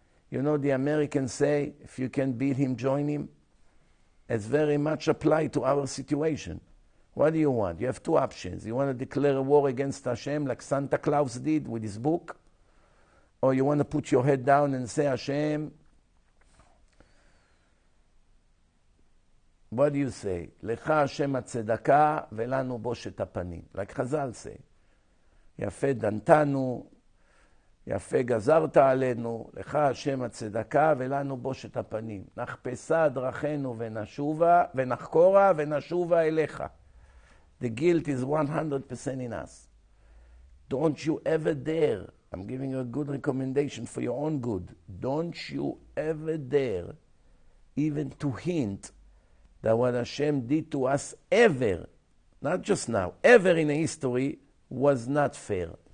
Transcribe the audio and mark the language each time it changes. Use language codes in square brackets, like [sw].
[en] You know, the Americans say, if you can beat him, join him. It's very much applied to our situation. What do you want? You have two options. You want to declare a war against Hashem like Santa Claus did with his book? Or you want to put your head down and say, Hashem, what do you say? [he] Lecha Hashem atzedaka velanu boshet apanim. [en] Like Chazal say, [he] Yafe dantanu, יפה גזרת עלינו, לך השם הצדקה ולנו בושת הפנים. נחפשה דרכנו ונשובה, ונחקורה ונשובה אליך. [en] The guilt is 100% in us. Don't you ever dare, I'm giving you a good recommendation for your own good, don't you ever dare even to hint that what Hashem did to us ever, not just now, ever in history, was not fair.